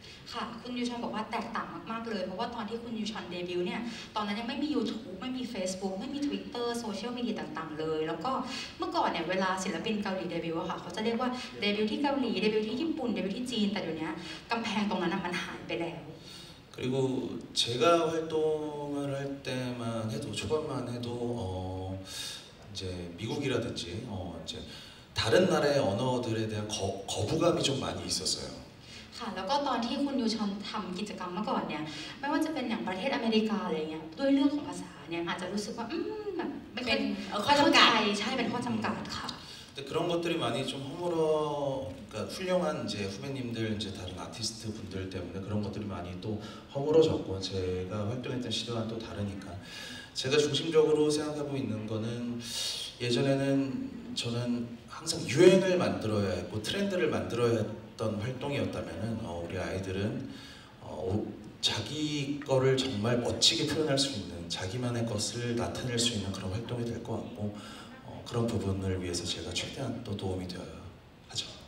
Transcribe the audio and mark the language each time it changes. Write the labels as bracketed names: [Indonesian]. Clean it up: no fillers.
[Thai] ค่ะคุณยูชอนบอกว่าแตกต่างมากๆเลยเพราะว่าตอนที่คุณยูชอนเดบิวต์เนี่ยตอนนั้นยังไม่มี YouTube ไม่มี Facebook ไม่มี Twitter โซเชียลมีเดียต่างๆเลยแล้วก็เมื่อก่อนเนี่ยเวลาศิลปินเกาหลีเดบิวต์อะค่ะเขาจะเรียกว่าเดบิวต์ที่เกาหลีเดบิวต์ที่ญี่ปุ่นเดบิวต์ที่จีนแต่เดี๋ยวนี้กำแพงตรงนั้นมันหายไปแล้ว [Korean] 그리고제가활동을할때만해도초반만해도이제미국이라든지이제다른나라의언어들에대한 거부감이좀많이있었어요 [Thai] ค่ะแล้วก็ตอนที่คุณยูชอนทำกิจกรรมเมื่อก่อนเนี่ยไม่ว่าจะเป็นอย่างประเทศอเมริกาอะไรเงี้ยด้วยเรื่องของภาษาเนี่ยอาจจะรู้สึกว่าแบบไม่เ ป็นข้อจำกัด ใช่เป็นข้อจำกัดค่ะ [Korean] แต่그런것들이많이좀허물어그러니까훌륭한이제후배님들이제다른아티스트분들때문에그런것들이많이또허물어졌고제가활동했던시대와또다르니까제가중심적으로생각하고있는거는예전에는저는항상유행을만들어야했고트렌드를만들어야했어떤활동이었다면은우리아이들은자기거를정말멋지게표현할수있는자기만의것을나타낼수있는그런활동이될것같고그런부분을위해서제가최대한또도움이되어야하죠